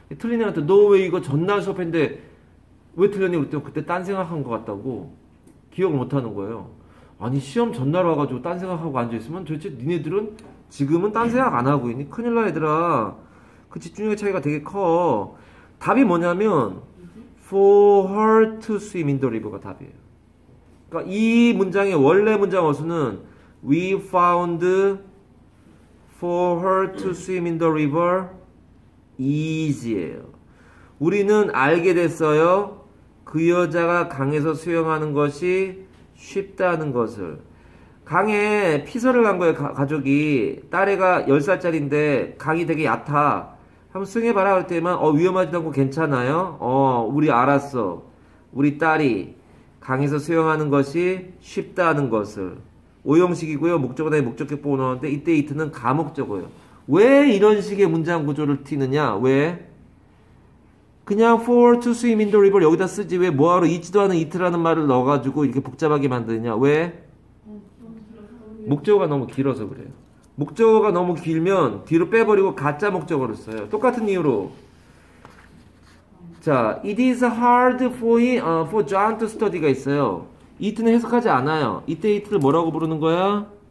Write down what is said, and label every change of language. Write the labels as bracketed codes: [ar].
[ko] 틀린 애한테 너 왜 이거 전날 수업했는데 왜 틀렸니? 그랬더니 그때 딴 생각한 것 같다고 기억을 못하는 거예요. 아니 시험 전날 와가지고 딴 생각하고 앉아있으면 도대체 니네들은 지금은 딴 생각 안 하고 있니? 큰일 나 얘들아. 그 집중력의 차이가 되게 커. [en] 답이 뭐냐면 For her to swim in the river가 답이에요. 그러니까 이 문장의 원래 문장 어순은 We found for her to swim in the river easy예요. [ko] 우리는 알게 됐어요. 그 여자가 강에서 수영하는 것이 쉽다는 것을. 강에 피서를 간 거예요, 가족이. 딸애가 10살짜리인데 강이 되게 얕아. 한번 수영해봐라 할 때만 위험하지도 않고 괜찮아요? 우리 알았어. 우리 딸이 강에서 수영하는 것이 쉽다는 것을. 오형식이고요. 목적어 다음에 목적격보 나오는데 이때 이트는 가목적어예요. 왜 이런 식의 문장 구조를 띄느냐? 왜? 그냥 for to swim in the river 여기다 쓰지 왜 뭐하러 잊지도 않은 이트라는 말을 넣어가지고 이렇게 복잡하게 만드느냐? 왜? 목적어가 너무 길어서 그래요. 목적어가 너무 길면 뒤로 빼버리고 가짜 목적어를 써요. [en] 똑같은 이유로 자, it is hard for John to study가 있어요. [ko] 이트는 해석하지 않아요. 이때 이트를 뭐라고 부르는 거야?